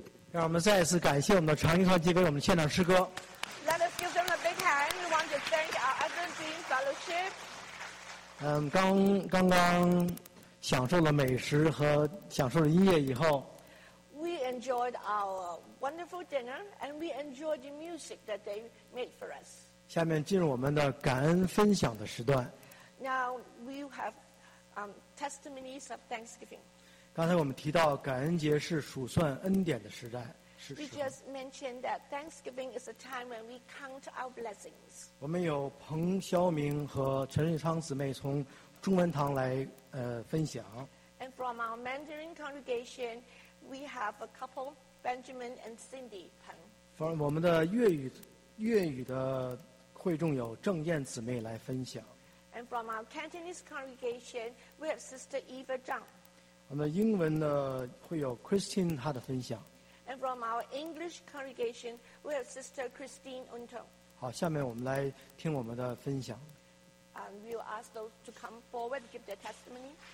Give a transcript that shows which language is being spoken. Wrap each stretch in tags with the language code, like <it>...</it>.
<zh>让我们再次感谢我们的长兴传奇给我们现场诗歌。</zh> <en>Let us give them a big hand. We want to thank our Evergreen Fellowship.</en> <zh>刚刚享受了美食和享受了音乐以后。</zh> <en>We enjoyed our wonderful dinner and we enjoyed the music that they made for us.</en> <zh>下面进入我们的感恩分享的时段。</zh> <en>Now we have testimonies of Thanksgiving.</en> <zh>刚才我们提到感恩节是数算恩典的时代，是。</zh> <en>We just mentioned that Thanksgiving is a time when we count our blessings.</en> <zh>我们有彭晓明和陈瑞昌姊妹从中文堂来分享。</zh> <en>And from our Mandarin congregation, we have a couple, Benjamin and Cindy Peng. From</en> <zh>我们的粤语的会众有郑燕姊妹来分享。</zh> <en>And from our Cantonese congregation, we have Sister Eva Zhang.</en> <zh>我们英文呢会有 Christine 她的分享。</zh> <en>And from our English congregation, we have Sister Christine Unto.</en> <zh>好，下面我们来听我们的分享。</zh> <en>We'll ask those to come forward, give their testimony.</en>